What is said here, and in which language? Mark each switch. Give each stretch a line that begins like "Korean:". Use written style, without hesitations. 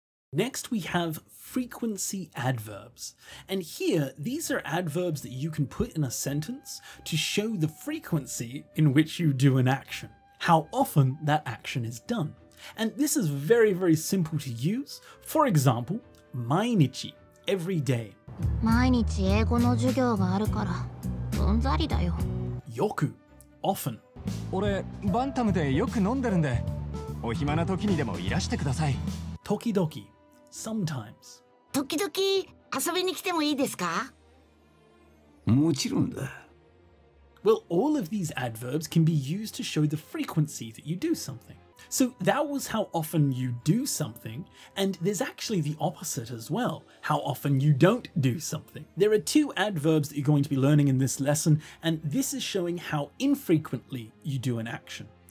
English: Next, we have frequency adverbs. And here, these are adverbs that you can put in a sentence to show the frequency in which you do an action, how often that action is done. And this is very, very simple to use. For example, 毎日, every day.
Japanese: 毎日英語の授業があるからうんざりだよ。よく、
English: often。
Japanese: 俺、バンタムでよく飲んでるんで、お暇な時にでもいらしてください。時々、
English: sometimes。
Japanese: 時々、遊びに来てもいいですか？もちろんだ。
English: Well, all of these adverbs can be used to show the frequency that you do something. So that was how often you do something, and there's actually the opposite as well, how often you don't do something. There are two adverbs that you're going to be learning in this lesson, and this is showing how infrequently you do an action.